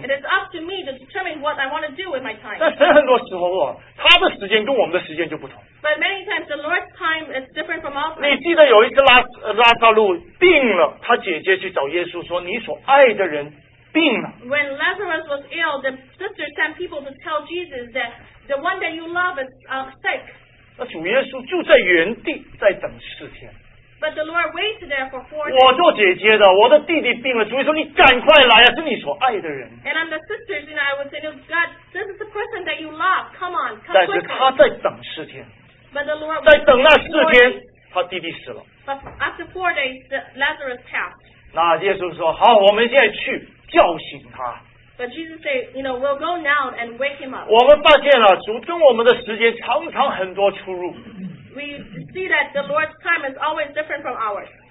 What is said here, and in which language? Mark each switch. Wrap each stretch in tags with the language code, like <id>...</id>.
<en>It is up to me to determine what I want to do with my time.</en> <zh>但神很多时候，他的时间跟我们的时间就不同。</zh> <en>But many times the Lord's time is different from our time.</en> <zh>你记得有一次拉萨路病了，他姐姐去找耶稣说，你所爱的人病了。</zh> <en>When Lazarus was ill, the sister sent people to tell Jesus that the one that you love is sick.</en> <zh>那主耶稣就在原地在等四天。</zh> <en>But the Lord waited there for 4 days.</en> <zh>我做姐姐的，我的弟弟病了，主耶稣你赶快来啊，是你所爱的人。</zh> <en>And I'm the sisters, and I would say, God, this is the person that you love. Come on, come quickly.</en> <zh>但是他在等四天。</zh> <en>But the Lord</en> <zh>在等那四天，他弟弟死了。</zh> <en>But after 4 days, Lazarus passed.</en> <zh>那耶稣说，好，我们现在去叫醒他。</zh> <en>But Jesus said, we'll go now and wake him up.</en> <zh>我们发现了，主跟我们的时间常常很多出入。</zh> <en>We see that the Lord's time is always different from ours.</en>